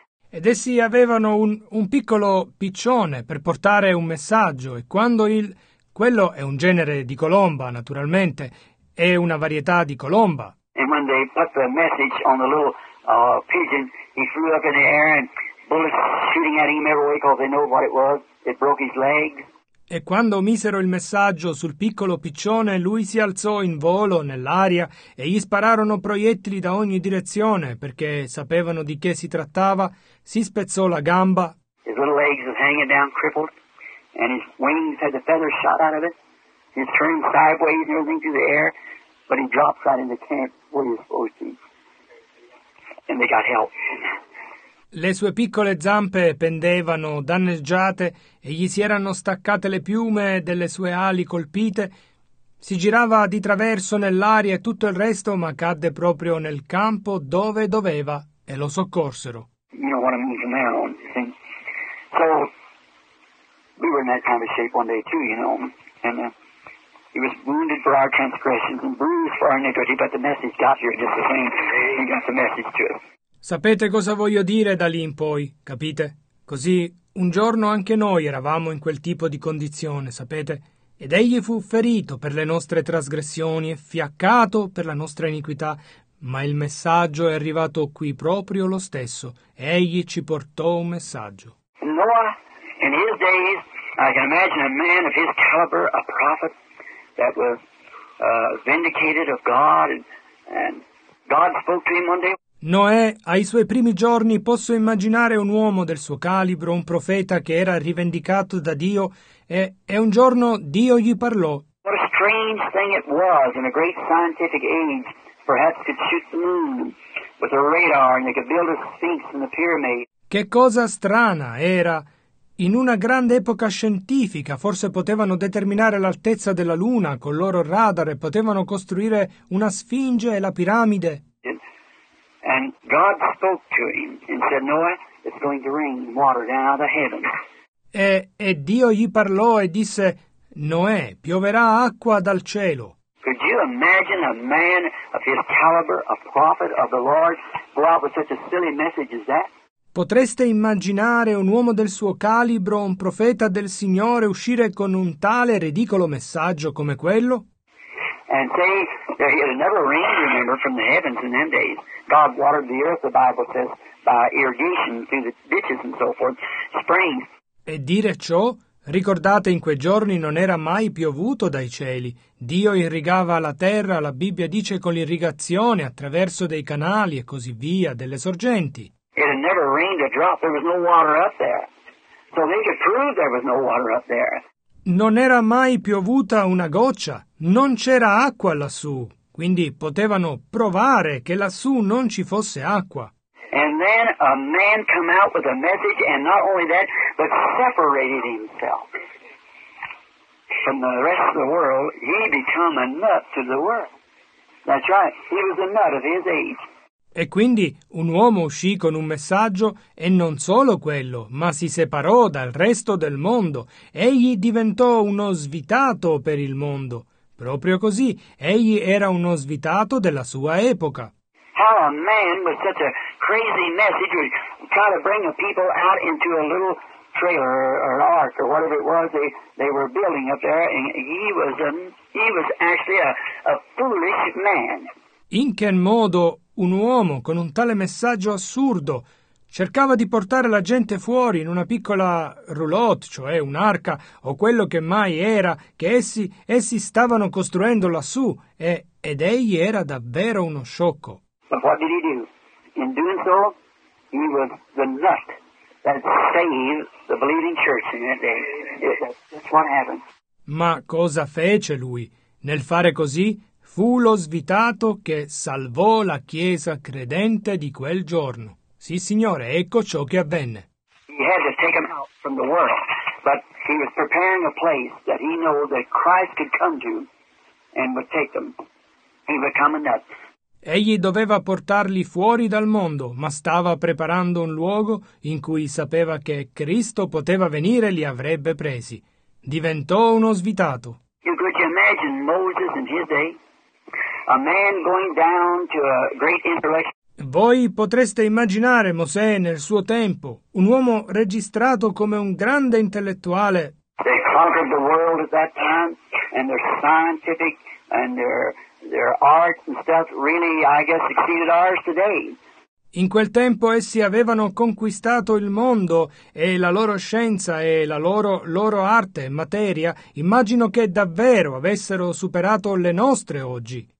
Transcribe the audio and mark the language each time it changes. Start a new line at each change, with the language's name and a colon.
Italian: Ed essi avevano un piccolo piccione per portare un messaggio, e quando quello è un genere di colomba, naturalmente, è una varietà di colomba.
English: And when they put the message on the little pigeon, he flew up in the air and bullets shooting at him everywhere because they know what it was. It broke his leg.
Italian: E quando misero il messaggio sul piccolo piccione, lui si alzò in volo nell'aria e gli spararono proiettili da ogni direzione perché sapevano di che si trattava. Si spezzò la gamba.
English: His little legs was hanging down crippled and his wings had the feathers shot out of it. He's turning sideways and everything through the air. But he drops right in the camp where he's supposed to be. And they got help.
Italian: Le sue piccole zampe pendevano danneggiate e gli si erano staccate le piume delle sue ali colpite. Si girava di traverso nell'aria e tutto il resto, ma cadde proprio nel campo dove doveva, e lo soccorsero.
English: You know what I mean from there on, you think? So, we were in that kind of shape one day too, you know. And He was wounded for our transgressions and bruised for our iniquity, but the message got here just the same. He got the message to us.
Italian: Sapete cosa voglio dire da lì in poi, capite? Così un giorno anche noi eravamo in quel tipo di condizione, sapete? Ed egli fu ferito per le nostre trasgressioni e fiaccato per la nostra iniquità, ma il messaggio è arrivato qui proprio lo stesso. Egli ci portò un messaggio.
English: Noah, in his days, I can imagine a man of his caliber, a prophet, that was vindicated of God, and God spoke to him one day.
Italian: Noè, ai suoi primi giorni, posso immaginare un uomo del suo calibro, un profeta che era rivendicato da Dio, e un giorno Dio gli parlò.
English: What a strange thing it was in a great scientific age, perhaps could shoot the moon with a radar and they could build a sphinx in the pyramid.
Italian: Che cosa strana era! In una grande epoca scientifica, forse potevano determinare l'altezza della luna col loro radar e potevano costruire una sfinge e la piramide.
English: And God spoke to him and said, Noah, it's going to rain water down out of heaven.
Italian: E Dio gli parlò e disse, Noè, pioverà acqua dal cielo.
English: Could you imagine a man of his caliber, a prophet of the Lord, go out with such a silly message as that?
Italian: Potreste immaginare un uomo del suo calibro, un profeta del Signore, uscire con un tale ridicolo messaggio come quello?
English: And say, there had never rained, remember, from the heavens in them days. God watered the earth, the Bible says, by irrigation through the ditches and so forth, springs.
Italian: E dire ciò, ricordate, in quei giorni non era mai piovuto dai cieli. Dio irrigava la terra, la Bibbia dice, con l'irrigazione, attraverso dei canali e così via, delle sorgenti.
English: It had never rained a drop, there was no water up there. So they could prove there was no water up there.
Italian: Non era mai piovuta una goccia, non c'era acqua lassù, quindi potevano provare che lassù non ci fosse acqua.
English: And then a man came out with a message, and not only that, but separated himself from the rest of the world. He became a nut to the world. That's right, he was a nut of his age.
Italian: E quindi un uomo uscì con un messaggio e non solo quello, ma si separò dal resto del mondo. Egli diventò uno svitato per il mondo. Proprio così, egli era uno svitato della sua epoca.
English: How a man with such a crazy message would try to bring the people out into a little trailer or ark or whatever it was they were building up there, and he was actually a foolish man.
Italian: In che modo un uomo con un tale messaggio assurdo cercava di portare la gente fuori in una piccola roulotte, cioè un'arca, o quello che mai era, che essi stavano costruendo lassù, ed egli era davvero uno sciocco.
English: But what did he do? In doing so, he was the nut that saved the believing church in that day. That's what happened.
Italian: Ma cosa fece lui? Nel fare così, fu lo svitato che salvò la chiesa credente di quel giorno. Sì, signore, ecco ciò che avvenne.
English: He had to take him out from the world, but he was preparing a place that he knew that Christ could come to and would take them. He would come and that.
Italian: Egli doveva portarli fuori dal mondo, ma stava preparando un luogo in cui sapeva che Cristo poteva venire e li avrebbe presi. Diventò uno svitato.
English: You could imagine Moses in his day. A man going down to a great intellect.
Italian: Voi potreste immaginare Mosè nel suo tempo, un uomo registrato come un grande intellettuale.
English: They conquered the world at that time, and their scientific and their art and stuff really, I guess, exceeded ours today.
Italian: In quel tempo essi avevano conquistato il mondo e la loro scienza e la loro arte e materia, immagino che davvero avessero superato le nostre oggi.